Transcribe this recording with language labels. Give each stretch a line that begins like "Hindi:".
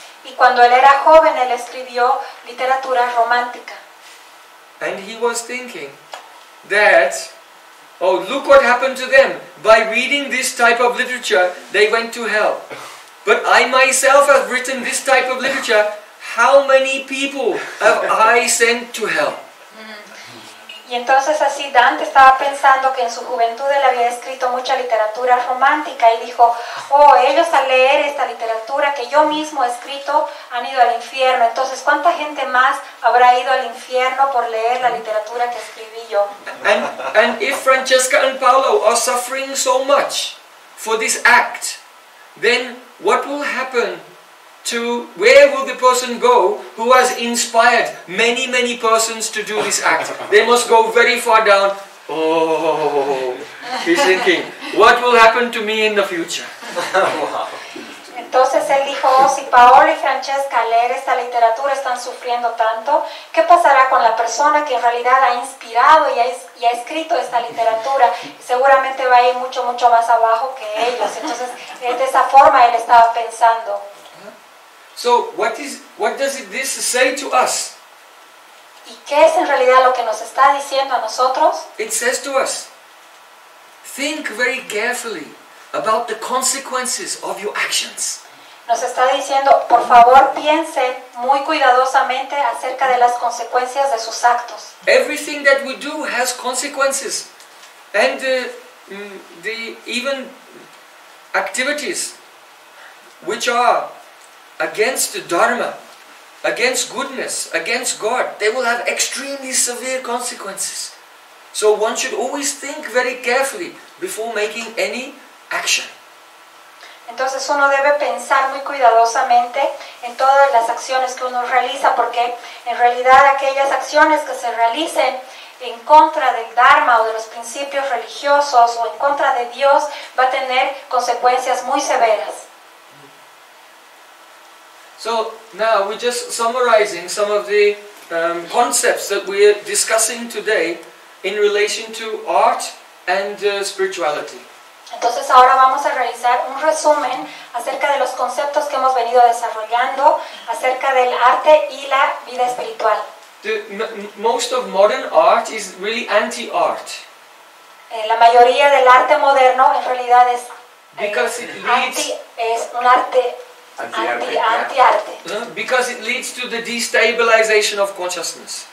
Spanish: Y cuando él era joven, él escribió literatura romántica.
English: And he was thinking that, oh, look what happened to them. By reading this type of literature, they went to hell. But I myself have written this type of literature. How many people have I sent to hell?
Spanish: Y entonces así Dante estaba pensando que en su juventud él había escrito mucha literatura romántica y dijo, oh, ellos al leer esta literatura que yo mismo he escrito han ido al infierno. Entonces, ¿cuánta gente más habrá ido al infierno por leer la literatura que escribí yo?
English: And if Francesca and Paolo are suffering so much for this act, then what will happen? To where will the person go who has inspired many, many persons to do this act? They must go very far down. Oh, he's thinking, what will happen to me in the future? Wow.
Spanish: Entonces él dijo, oh, si Paolo y Francesca al leer esta literatura están sufriendo tanto, ¿qué pasará con la persona que en realidad ha inspirado y ha escrito esta literatura? Seguramente va a ir mucho, mucho más abajo que ellos. Entonces, de esa forma él estaba pensando.
English: So what does this say to us?
Spanish: ¿Y qué es en realidad lo que nos está diciendo a nosotros?
English: It says to us, think very carefully about the consequences of your actions.
Spanish: Nos está diciendo, por favor, piense muy cuidadosamente acerca de las consecuencias de sus actos.
English: Everything that we do has consequences, and the even activities which are against the Dharma, against goodness, against God, they will have extremely severe consequences. So one should always think very carefully before making any action.
Spanish: Entonces uno debe pensar muy cuidadosamente en todas las acciones que uno realiza, porque en realidad aquellas acciones que se realicen en contra del Dharma o de los principios religiosos o en contra de Dios va a tener consecuencias muy severas.
English: So now we're just summarizing some of the concepts that we're discussing today in relation to art and spirituality.
Spanish: Entonces ahora vamos a realizar un resumen acerca de los conceptos que hemos venido desarrollando acerca del arte y la vida espiritual.
English: Most of modern art is really anti-art.
Spanish: La mayoría del arte moderno en realidad es anti-arte.
English: Because it leads to the destabilization of consciousness.